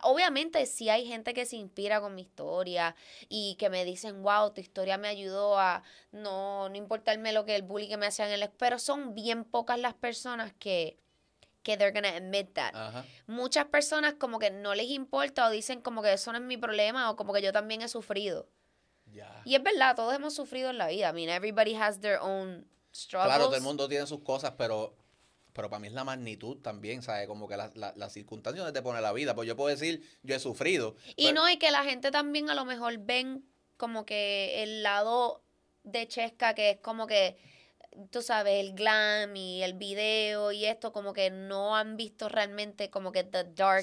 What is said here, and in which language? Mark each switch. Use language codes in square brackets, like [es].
[es] Obviamente sí hay gente que se inspira con mi historia y que me dicen, wow, tu historia me ayudó a no importarme lo que el bully que me hacían en el... Pero son bien pocas las personas que [en] they're gonna admit that. Uh-huh. [es] Muchas personas como que no les importa o dicen como que eso no es mi problema o como que yo también he sufrido. Yeah. Y es verdad, todos hemos sufrido en la vida. [en] I mean, everybody has their own struggles. [es] Claro, todo el mundo tiene sus cosas, pero para mí es la magnitud también, ¿sabes? Como que las circunstancias donde te pone la vida. Pues yo puedo decir, yo he sufrido. Y pero... no, y que la gente también a lo mejor ven como que el lado de Chesca, que es como que, tú sabes, el glam y el video y esto, como que no han visto realmente como que [en] the dark